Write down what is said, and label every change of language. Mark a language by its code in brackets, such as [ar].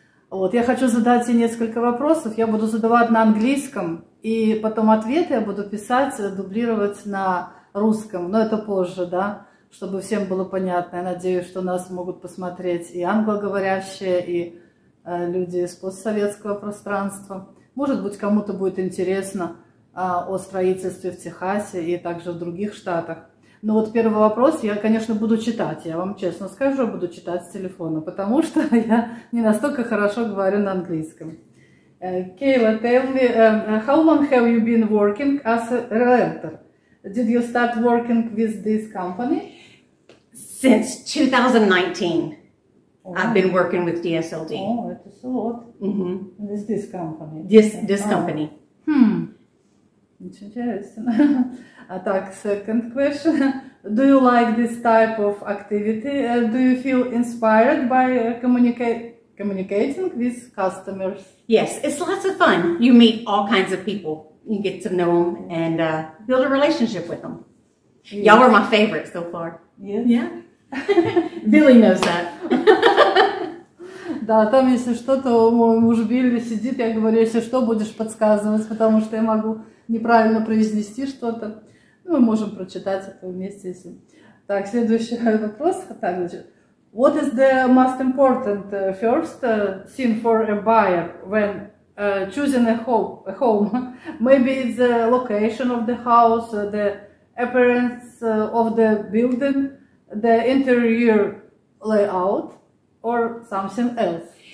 [ru] Вот, я хочу задать ей несколько вопросов, я буду задавать на английском, и потом ответы я буду писать, дублировать на русском, но это позже, да, чтобы всем было понятно. Я надеюсь, что нас могут посмотреть и англоговорящие, и люди из постсоветского пространства. Может быть, кому-то будет интересно о строительстве в Техасе и также в других штатах. Но вот первый вопрос я, конечно, буду читать. Я вам честно скажу, буду читать с телефона, потому что я не настолько хорошо говорю на английском. [en] Kayla, tell me, how long have you been working as a realtor? Did you start working with this company? Since 2019. Oh. I've been working with DSLD. Oh, that's a lot. Mm-hmm. With this company. This company. Interesting. [ru] Так, [en] second question. Do you like this type of activity? Do you feel inspired by communicating with customers? Yes, it's lots of fun. You meet all kinds of people. You get to know them and build a relationship with them. Yes. Y'all are my favorite so far. Yes. Yeah. Billy knows that. [ru] Да, там если что-то, мой муж Билли сидит, я говорю, если что, будешь подсказывать, потому что я могу неправильно произнести что-то. Ну, мы можем прочитать это вместе. Если... Так, следующий вопрос. [en] What is the most important first thing for a buyer when choosing a home? Maybe it's the location of the house, the appearance of the building, the interior layout, or something else?